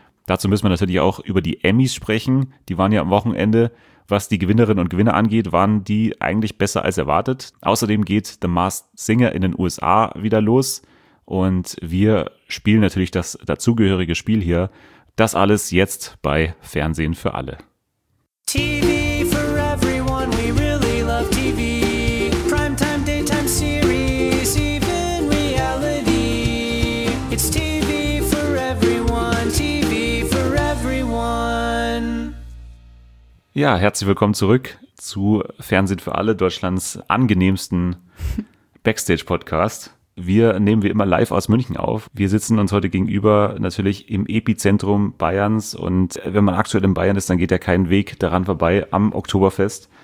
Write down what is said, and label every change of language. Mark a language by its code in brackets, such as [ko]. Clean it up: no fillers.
[de] Dazu müssen wir natürlich auch über die Emmys sprechen. Die waren ja am Wochenende. Was die Gewinnerinnen und Gewinner angeht, waren die eigentlich besser als erwartet. Außerdem geht The Masked Singer in den USA wieder los. Und wir spielen natürlich das dazugehörige Spiel hier. Das alles jetzt bei Fernsehen für alle. [en] TV for everyone, we really love TV. Primetime, daytime series, even reality. It's TV for everyone, TV for everyone. [de] Ja, herzlich willkommen zurück zu Fernsehen für alle, Deutschlands angenehmsten Backstage-Podcast. Wir nehmen wir immer live aus München auf. Wir sitzen uns heute gegenüber natürlich im Epizentrum Bayerns. Und wenn man aktuell in Bayern ist, dann geht ja kein Weg daran vorbei am Oktoberfest.